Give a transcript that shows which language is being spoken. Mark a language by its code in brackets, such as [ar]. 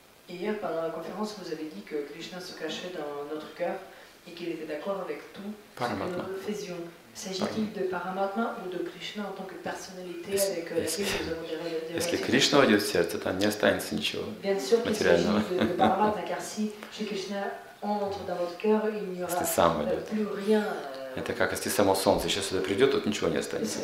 [fr] Hier, pendant la conférence, vous avez dit que Krishna se cachait dans notre cœur et qu'il était d'accord avec tout ce que nous faisions. S'agit-il de Paramatma ou de Krishna en tant que personnalité avec laquelle nous avons des relations? [ru] Si Krishna войдет в сердце, там не останется ничего материального. [fr] Bien sûr, il s'agit de Paramatma, car si Krishna entre dans votre cœur, il n'y aura plus rien. [ru] Это как если само солнце сейчас сюда придет, тут ничего не останется,